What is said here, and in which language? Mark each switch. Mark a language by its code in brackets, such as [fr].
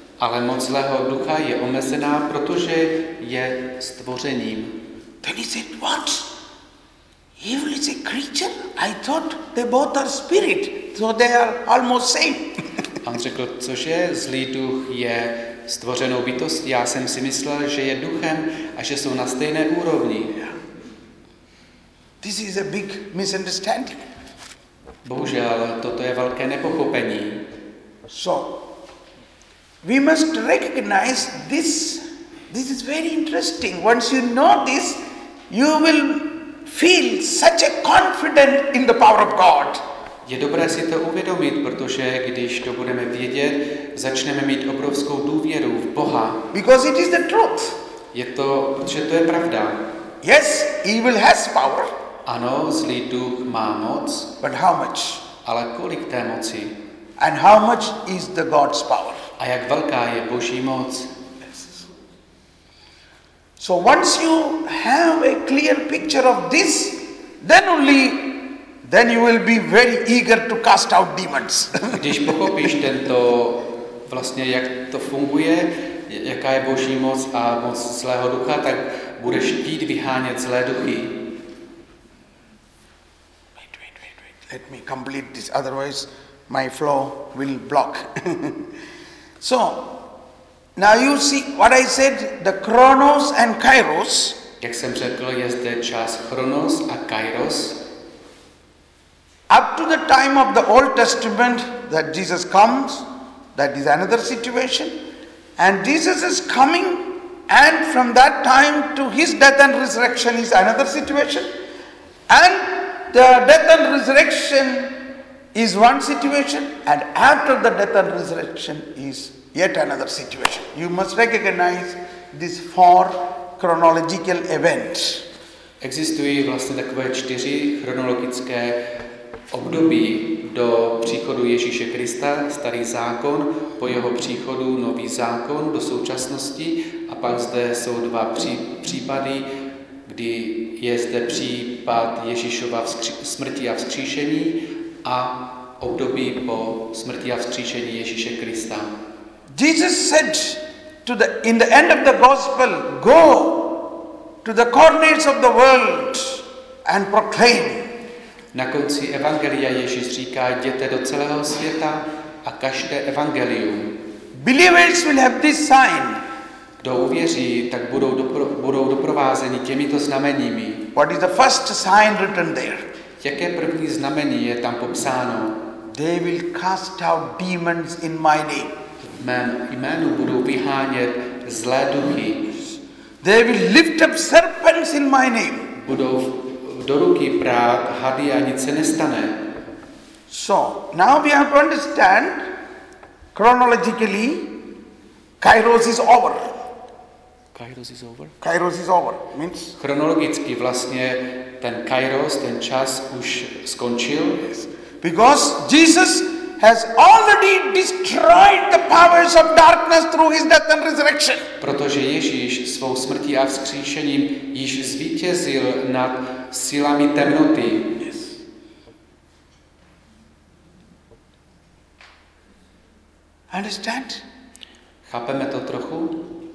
[cs] Ale moc zlého ducha je omezená, protože je stvořením. [en] Then he said, what? Evil is a creature? I thought they both are spirit, so they are almost same. [cs] On řekl, cože, zlý duch je stvořenou bytost? Já jsem si myslel, že je duchem a že jsou na stejné úrovni. [en] This is a big misunderstanding. [cs] Bohužel, toto je velké nepochopení. [en] So, we must recognize this. This is very interesting. Once you know this, you will feel such a confidence in the power of God. [cs] Je dobré si to uvědomit, protože když to budeme vědět, začneme mít obrovskou důvěru v Boha. [en] Because it is the truth. [cs] Je to, protože to je pravda. [en] Yes, evil has power. [cs] Ano, zlý duch má moc. [en] But how much? [cs] Ale kolik té moci? [en] And how much is the God's power? [cs] A jak velká je Boží moc? [en] So once you have a clear picture of this, then you will be very eager to cast out demons. [cs] Když pochopíš tento vlastně jak to funguje, jaká je Boží moc a moc zlého ducha, tak budeš chtít vyhánět zlé duchy. [en] Wait. Let me complete this, otherwise my flow will block. So, now you see what I said, the Chronos and Kairos. [cs] Jak jsem řekl, je zde čas Chronos a Kairos. [en] Up to the time of the Old Testament that Jesus comes, that is another situation. And Jesus is coming, and from that time to his death and resurrection is another situation. And the death and resurrection is one situation, and after the death and resurrection is yet another situation. You must recognize this four chronological events. [cs] Existují vlastně takové čtyři chronologické období do příchodu Ježíše Krista, starý zákon, po jeho příchodu nový zákon do současnosti a pak zde jsou dva případy, kdy je zde případ Ježíšova smrti a vzkříšení a období po smrti a vzkříšení Ježíše Krista. [en] Jesus said to the in the end of the gospel, go to the corners of the world and proclaim. [cs] Na konci evangelia Ježíš říká, jděte do celého světa a kažte evangelium. [en] Believers will have this sign. [cs] Kdo uvěří, tak budou doprovázeni těmito znameními. [en] What is the first sign written there? [cs] Jaké první znamení je tam popsáno? [en] They will cast out demons in my name. [cs] V mém jménu budou vyhánět zlé duchy. [en] They will lift up serpents in my name. [cs] Budou do ruky brát hady a nic se nestane. [en] So, now we have to understand chronologically Kairos is over. Kairos is over? Kairos is over. Means? [cs] Chronologicky vlastně ten Kairos, ten čas už skončil. [en] Yes. Because Jesus has already destroyed the powers of darkness through his death and resurrection. [cs] Protože Ježíš svou smrtí a vzkříšením již zvítězil nad silami temnoty. [en] Yes. Understand? [cs] Chápeme to trochu?